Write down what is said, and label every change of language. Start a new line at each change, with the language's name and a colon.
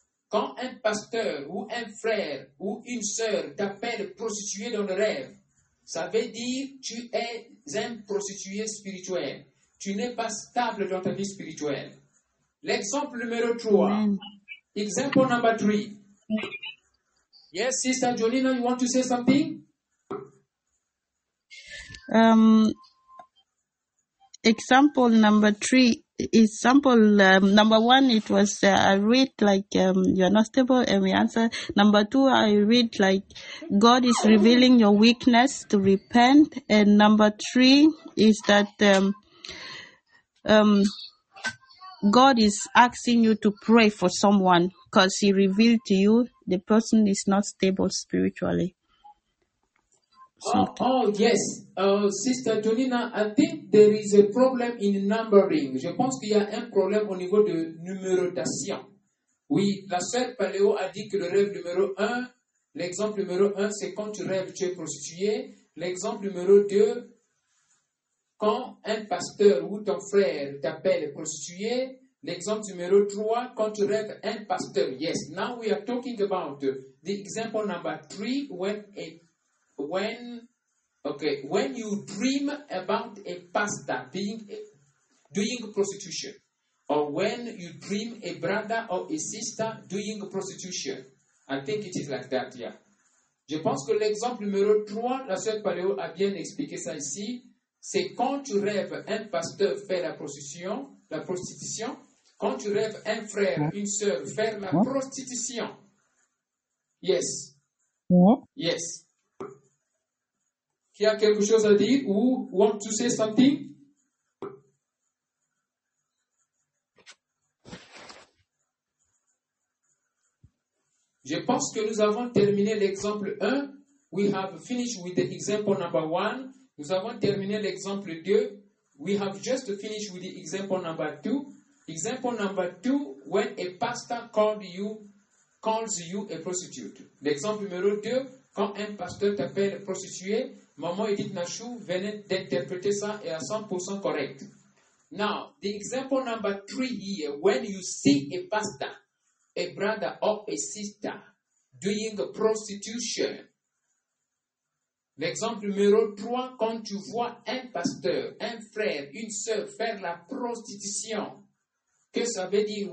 French: Quand un pasteur ou un frère ou une sœur t'appelle prostituée dans le rêve, ça veut dire tu es un prostitué spirituel. Tu n'es pas stable dans ta vie spirituelle. L'exemple numéro 3.
English: Example number 3. Yes, Sister Jolina, you want to say something? Example number 3. Number 1, it was I read like you're not stable, and we answer. Number 2, I read like God is revealing your weakness to repent. And number 3 is that God is asking you to pray for someone because he revealed to you the person is not stable spiritually. Yes. Sister Jolina, I think there is a problem in numbering.
French: Je pense qu'il y a un problème au niveau de numérotation. Oui, la sœur Paléo a dit que le rêve numéro 1, l'exemple numéro 1, c'est quand tu rêves, tu es prostituée. L'exemple numéro 2, quand un pasteur ou ton frère t'appelle prostituée, l'exemple numéro 3, quand tu rêves un pasteur.
English: Yes, now we are talking about the example number 3, when you dream about a pastor doing prostitution, or when you dream a brother or a sister doing prostitution. I think it is like that, yeah.
French: Je pense que l'exemple numéro 3, la sœur Paléo a bien expliqué ça ici. C'est quand tu rêves un pasteur faire la prostitution, quand tu rêves un frère, une sœur faire la prostitution. Yes. Yes. Qui a quelque chose à dire ou
English: want to say something?
French: Je pense que nous avons terminé l'exemple 1.
English: We have finished with the example number 1.
French: Nous avons terminé l'exemple 2.
English: We have just finished with the example number 2. Example number 2, when a pastor calls you a prostitute.
French: L'exemple numéro 2, quand un pasteur t'appelle prostituée, maman Edith Nachou venait d'interpréter ça et à 100% correct.
English: Now, the example number 3 here, when you see a pastor, a brother or a sister doing prostitution,
French: L'exemple numéro 3, quand tu vois un pasteur, un frère, une sœur faire la prostitution, que ça veut dire?